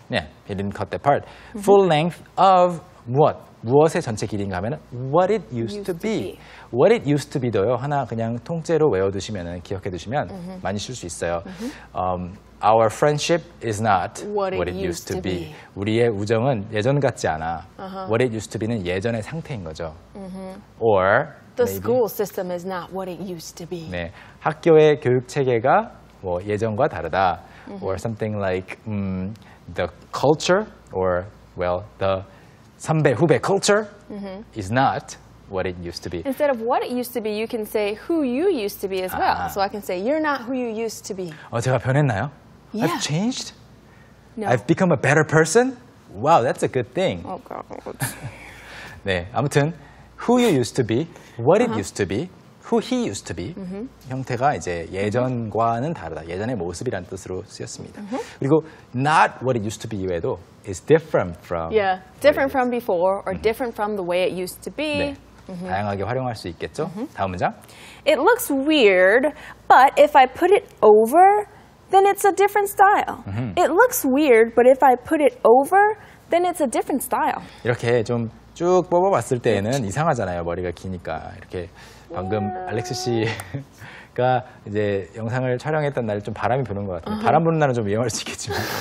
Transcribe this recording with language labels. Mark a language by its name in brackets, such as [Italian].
[English] Yeah, he didn't cut that part. Mm-hmm. Full length of what? [Korean] 무엇의 전체 길이인가 하면 what it used to be. What it used to be도요, 하나 그냥 통째로 외워두시면, 기억해두시면 mm-hmm. 많이 쓸 수 있어요. Mm-hmm. [English] Our friendship is not what it used to be. [Korean] 우리의 우정은 예전 같지 않아. Uh-huh. What it used to be는 예전의 상태인 거죠. Mm-hmm. Or [English] the maybe, school system is not what it used to be. [Korean] 네, 학교의 교육 체계가 뭐 예전과 다르다. [English] Mm-hmm. Or something like the culture or well the 선배 후배 culture mm-hmm. is not. What it used to be. Instead of what it used to be, you can say who you used to be as well. So I can say you're not who you used to be. [Korean] 제가 변했나요? [English] Yeah. I've changed? No. I've become a better person? Wow, that's a good thing. Oh God. [Korean] 네, 아무튼 [English] who you used to be, what it uh-huh. used to be, who he used to be mm-hmm. [Korean] 형태가 이제 예전과는 다르다. 예전의 모습이라는 뜻으로 쓰였습니다. Mm-hmm. 그리고 not what it used to be 이외에도 is different from. [English] Yeah, different from before or mm-hmm. different from the way it used to be. [Korean] 네. Mm-hmm. 다양하게 활용할 수 있겠죠? Mm-hmm. 다음 문장. [English] It looks weird, but if I put it over, then it's a different style. Mm-hmm. It looks weird, but if I put it over, then it's a different style. [Korean] 이렇게 좀 쭉 뽑아봤을 때에는 이상하잖아요. 머리가 기니까. 이렇게 방금 yeah. 알렉스 씨가 이제 영상을 촬영했던 날 좀 바람이 부는 것 같아요. Uh-huh. 바람 부는 날은 좀 위험할 수 있겠지만.